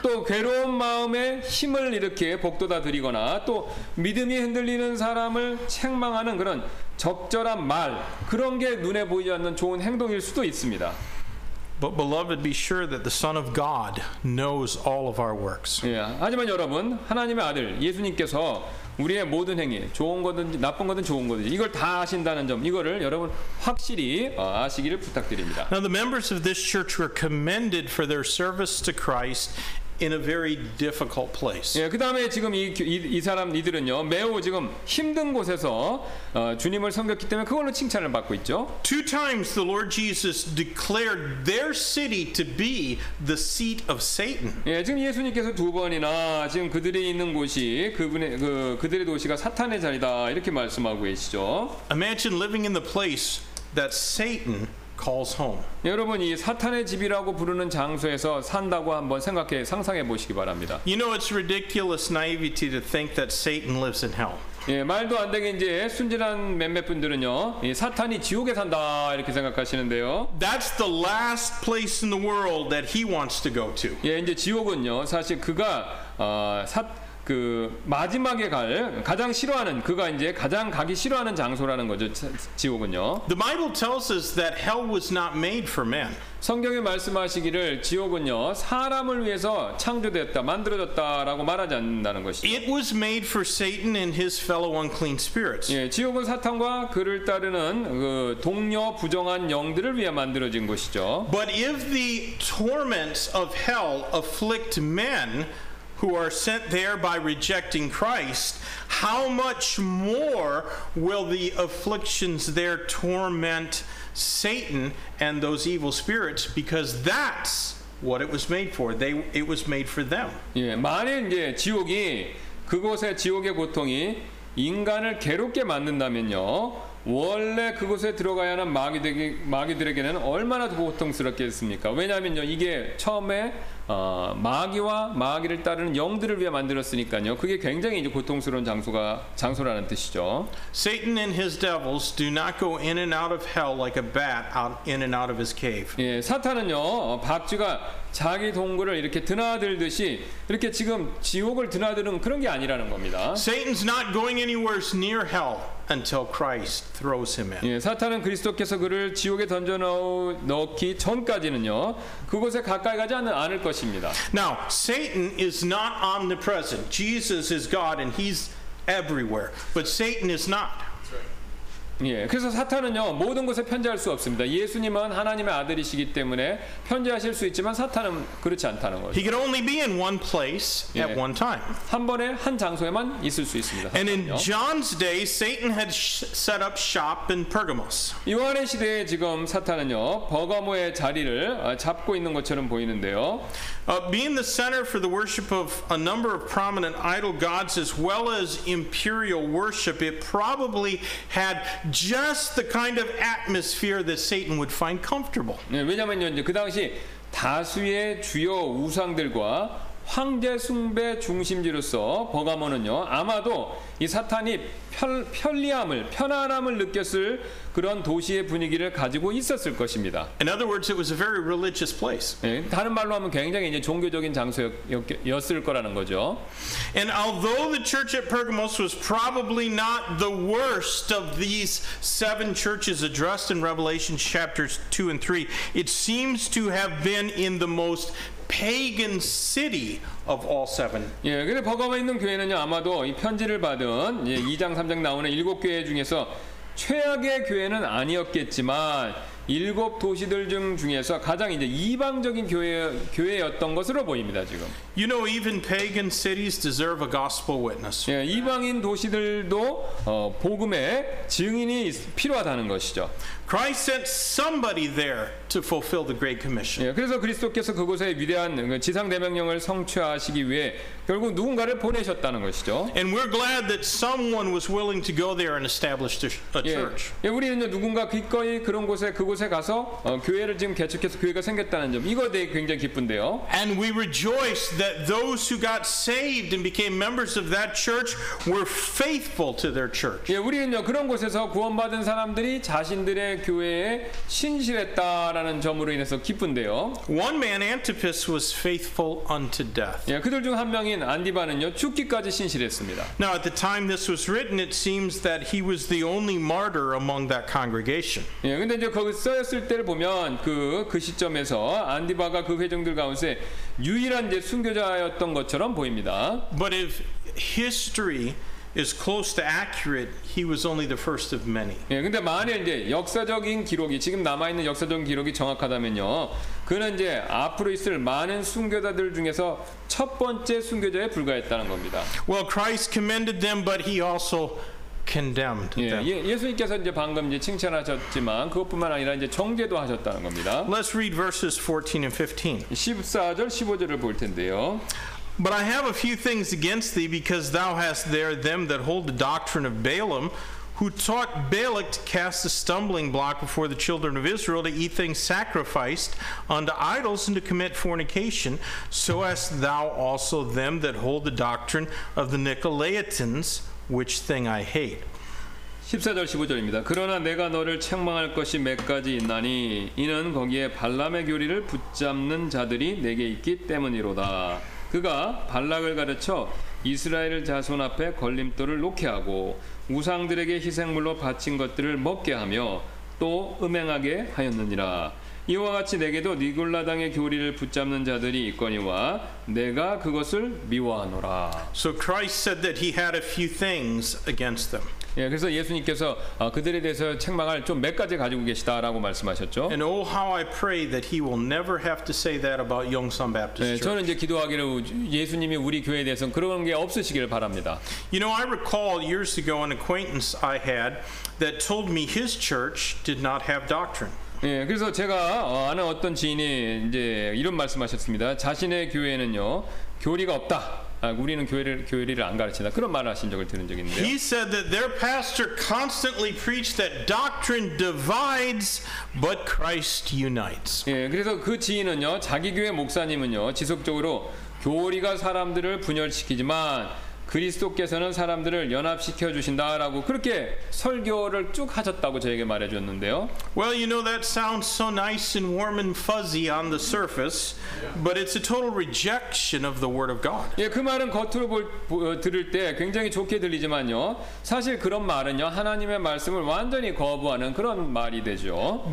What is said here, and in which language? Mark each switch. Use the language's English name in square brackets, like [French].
[Korean] 또 괴로운 마음에 힘을 이렇게 복돋아 드리거나 또 믿음이 흔들리는 사람을 책망하는 그런 적절한 말 그런 게 눈에 보이지 않는 좋은 행동일 수도 있습니다. [English] But beloved, be sure that the Son of God knows all of our works. [Korean] 예, 하지만 여러분 하나님의 아들 예수님께서 우리의 모든 행위, 좋은 거든지 나쁜 거든 좋은 거든지 이걸 다 아신다는 점, 이거를 여러분 확실히 아시기를 부탁드립니다. [English] Now the members of this church were commended for their service to Christ in a very difficult place. [Korean] 예, 그다음에 지금 이 사람 이들은요. 매우 지금 힘든 곳에서 주님을 섬겼기 때문에 그걸로 칭찬을 받고 있죠. [English] Two times the Lord Jesus declared their city to be the seat of Satan. [Korean] 예, 지금 예수님께서 두 번이나 지금 그들이 있는 곳이 그분의 그들의 도시가 사탄의 자리다 이렇게 말씀하고 계시죠. [English] Imagine living in the place that Satan calls home. [Korean] 여러분 이 사탄의 집이라고 부르는 장소에서 산다고 한번 생각해 상상해 보시기 바랍니다. [English] You know it's ridiculous naivety to think that Satan lives in hell. [Korean] 예, 말도 안 되게 이제 순진한 몇몇 분들은요. 이 사탄이 지옥에 산다 이렇게 생각하시는데요. [English] That's the last place in the world that he wants to go to. [Korean] 예, 이제 지옥은요. 사실 그가 그 마지막에 갈 가장 싫어하는 그가 이제 가장 가기 싫어하는 장소라는 거죠 지옥은요. [English] The Bible tells us that hell was not made for man. [Korean] 성경이 말씀하시기를 지옥은요 사람을 위해서 창조되었다 만들어졌다라고 말하지 않는다는 것이. [English] It was made for Satan and his fellow unclean spirits. [Korean] 예, 지옥은 사탄과 그를 따르는 그 동료 부정한 영들을 위해 만들어진 것이죠. [English] But if the torments of hell afflict men who are sent there by rejecting Christ, how much more will the afflictions there torment Satan and those evil spirits? Because that's what it was made for. It was made for them. [Korean] 예, 만일 이제 지옥이 그곳의 지옥의 고통이 인간을 괴롭게 만든다면요, 원래 그곳에 들어가야 하는 마귀들에게는 얼마나 더 고통스럽겠습니까? 왜냐하면요, 이게 처음에 마귀와 마귀를 따르는 영들을 위해 만들었으니까요. 그게 굉장히 이제 고통스러운 장소라는 뜻이죠. [English] Satan and his devils do not go in and out of hell like a bat out in and out of his cave. [Korean] 예, 사탄은요, 박쥐가 자기 동굴을 이렇게 드나들듯이 이렇게 지금 지옥을 드나드는 그런 게 아니라는 겁니다. [English] Satan's not going anywhere near hell until Christ throws him in. [Korean] 예, 사탄은 그리스도께서 그를 지옥에 던져 넣기 전까지는요, 그곳에 가까이 가지 않을 것입니다. [English] Now, Satan is not omnipresent. Jesus is God and he's everywhere. But Satan is not. [Korean] 예, 그래서 사탄은요 모든 곳에 편재할 수 없습니다. 예수님은 하나님의 아들이시기 때문에 편재하실 수 있지만 사탄은 그렇지 않다는 거죠. [English] He can only be in one place at one time. [Korean] 한 번에 한 장소에만 있을 수 있습니다. 사탄은요. [English] And in John's day, Satan had set up shop in Pergamos. [Korean] 요한의 시대에 지금 사탄은요 버가모의 자리를 잡고 있는 것처럼 보이는데요. [English] Being the center for the worship of a number of prominent idol gods as well as imperial worship, it probably had just the kind of atmosphere that Satan would find comfortable. [Korean] 네, 왜냐면요, 이제 그 당시 다수의 주요 우상들과 황제 숭배 중심지로서 버가모는요, 아마도 이 사탄이 편리함을, 편안함을 느꼈을 그런 도시의 분위기를 가지고 있었을 것입니다. [English] In other words, it was a very religious place. [Korean] 네, 다른 말로 하면 굉장히 이제 종교적인 장소였을 거라는 거죠. [English] And although the church at Pergamos was probably not the worst of these seven churches addressed in Revelation chapters 2 and 3, it seems to have been in the most pagan city of all seven. [Korean] 예, 그래 버가모에 있는 교회는요, 아마도 이 편지를 받은 예, 2장 3장 나오는 일곱 교회 중에서 최악의 교회는 아니었겠지만 일곱 도시들 중에서 가장 이제 이방적인 교회였던 것으로 보입니다, 지금. [English] You know even pagan cities deserve a gospel witness. [Korean] 예, 이방인 도시들도 복음의 증인이 필요하다는 것이죠. [English] Christ sent somebody there to fulfill the great commission. [Korean] 예, 그래서 그리스도께서 그곳에 위대한 지상 대명령을 성취하시기 위해 결국 누군가를 보내셨다는 것이죠. [English] And we're glad that someone was willing to go there and establish a church. [Korean] 예, 우리는 누군가 기꺼이 그곳에 가서 교회를 지금 개척해서 교회가 생겼다는 점 이거 되게 굉장히 기쁜데요. [English] And we rejoice that those who got saved and became members of that church were faithful to their church. [Korean] 예, 우리는요 그런 곳에서 구원받은 사람들이 자신들의 교회에 신실했다라는 점으로 인해서 기쁜데요. [English] One man, Antipas, was faithful unto death. [Korean] 예, 그들 중 한 명인 안디바는요 죽기까지 신실했습니다. [English] Now at the time this was written, it seems that he was the only martyr among that congregation. [Korean] 예, 근데 이제 거기 쓰였을 때를 보면 그 시점에서 안디바가 그 회중들 가운데 유일한 이제 순교자였던 것처럼 보입니다. [English] But if history is close to accurate, he was only the first of many. [Korean] 예, 근데 만약 이제 역사적인 기록이 지금 남아 있는 역사적인 기록이 정확하다면요, 그는 이제 앞으로 있을 많은 순교자들 중에서 첫 번째 순교자에 불과했다는 겁니다. [English] Well, Christ commended them, but he also condemned them. [Korean] 예, 예수님께서 이제 방금 이제 칭찬하셨지만 그것뿐만 아니라 이제 정죄도 하셨다는 겁니다. [English] Let's read verses 14 and 15. [Korean] 14절 15절을 볼 텐데요. [English] But I have a few things against thee, because thou hast there them that hold the doctrine of Balaam, who taught Balak to cast a stumbling block before the children of Israel to eat things sacrificed unto idols and to commit fornication. So hast thou also them that hold the doctrine of the Nicolaitans, which thing I hate. [Korean] 14절 15절입니다. 그러나 내가 너를 책망할 것이 몇 가지 있나니 이는 거기에 발람의 교리를 붙잡는 자들이 내게 있기 때문이로다. 그가 발락을 가르쳐 이스라엘 자손 앞에 걸림돌을 놓게 하고 우상들에게 희생물로 바친 것들을 먹게 하며 또 음행하게 하였느니라. 이와 같이 내게도 니골라당의 교리를 붙잡는 자들이 있거니와 내가 그것을 미워하노라. [English] So Christ said that he had a few things against them. [Korean] 예, 그래서 예수님께서 그들에 대해서 책망할 좀 몇 가지 가지고 계시다라고 말씀하셨죠. [English] And oh how I pray that he will never have to say that about Yongsan Baptist Church. [Korean] 예, 저는 이제 기도하기를 예수님이 우리 교회에 대해서는 그런 게 없으시기를 바랍니다. [English] You know, I recall years ago an acquaintance I had that told me his church did not have doctrine. [Korean] 예, 그래서 제가 아는 어떤 지인이 이제 이런 말씀하셨습니다. 자신의 교회는요 교리가 없다. 아, 우리는 교회를 안 가르친다. 그런 말을 하신 적을 들은 적이 있는데요. [English] He said that their pastor constantly preached that doctrine divides, but Christ unites. [Korean] 예, 그래서 그 지인은요, 자기 교회 목사님은요, 지속적으로 교리가 사람들을 분열시키지만 그리스도께서는 사람들을 연합시켜 주신다라고 그렇게 설교를 쭉 하셨다고 저에게 말해 주었는데요. [English] Well, you know that sounds so nice and warm and fuzzy on the surface, but it's a total rejection of the word of God. [Korean] 예, 그 말은 겉으로 들을 때 굉장히 좋게 들리지만요. 사실 그런 말은요. 하나님의 말씀을 완전히 거부하는 그런 말이 되죠.